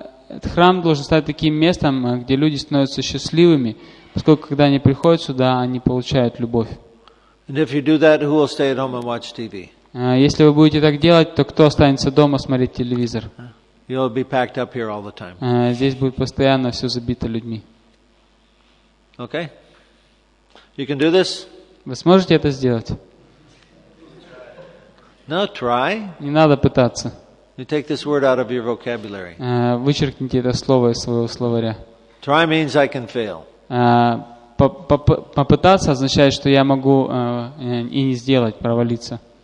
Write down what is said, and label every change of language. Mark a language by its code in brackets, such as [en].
[ru] Этот храм должен стать таким местом, где люди становятся счастливыми, поскольку когда они приходят сюда, они получают любовь. [en] And if you do that, who will stay at home and watch TV? [ru] Если вы будете так делать, то кто останется дома смотреть телевизор? [en] You'll be packed up here all the time. [ru] Здесь будет постоянно все забито людьми. [en] Okay. You can do this? [ru] Вы сможете это сделать? [en] No, try. [ru] Не надо пытаться. [en] You take this word out of your vocabulary. [ru] Вычеркните это слово из своего словаря. [en] Try means I can fail. [ru] Попытаться означает, что я могу и не сделать, провалиться.